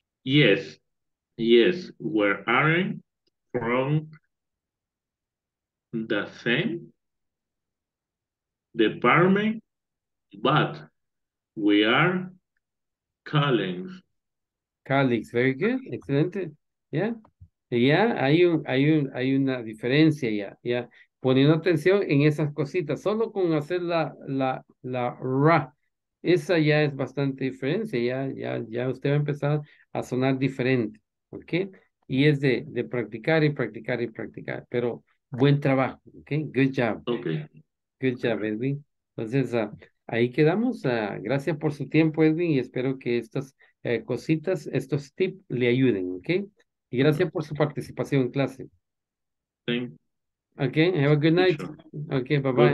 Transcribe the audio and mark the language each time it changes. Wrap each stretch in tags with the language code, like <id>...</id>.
<en>Yes, we are from the same department, but we are colleagues. Colleagues, very good, excelente, yeah.</en> <es>Ya hay una diferencia ya poniendo atención en esas cositas solo con hacer la ra, esa ya es bastante diferencia, ya usted va a empezar a sonar diferente, ¿okay? Y es de practicar y practicar y practicar, pero buen trabajo, ¿okay?</es> <en>Good job. Okay. Good job, Edwin.</en> <es>Entonces, ahí quedamos. Gracias por su tiempo, Edwin, y espero que estas cositas, estos tips le ayuden, ¿okay? Y gracias por su participación en clase.</es> <en>Thank you. Okay, have a good night. Sure. Okay, bye-bye.</en>